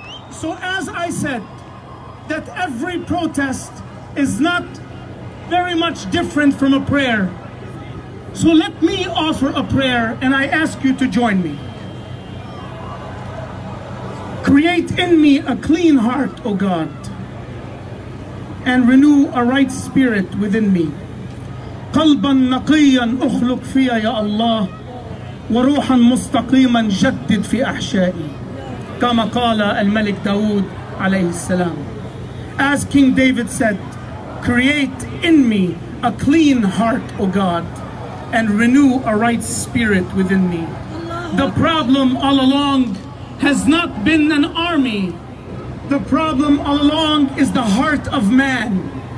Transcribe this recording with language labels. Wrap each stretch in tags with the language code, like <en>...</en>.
<en>So as I said, that every protest is not very much different from a prayer. So let me offer a prayer and I ask you to join me. Create in me a clean heart, O God, and renew a right spirit within me.</en> <ar>قلباً نقياً أخلق فيها يا الله وروحاً مستقيماً جدد في أحشائي كما قال الملك داود عليه السلام.</ar> <en>As King David said, create in me a clean heart, O God, and renew a right spirit within me. The problem all along has not been an army. The problem all along is the heart of man.</en>